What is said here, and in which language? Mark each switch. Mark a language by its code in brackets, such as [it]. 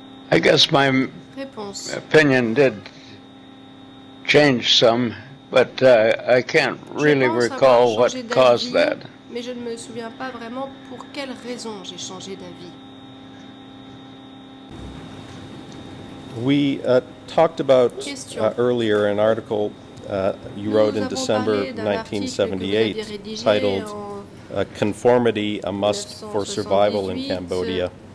[en] I guess my opinion did change some, but I can't really recall what caused that. [fr] Mais je ne me souviens pas vraiment pour quelle raison j'ai changé d'avis. [en] We talked about earlier an article you wrote in December 1978 titled Conformity, a Must for Survival in Cambodia.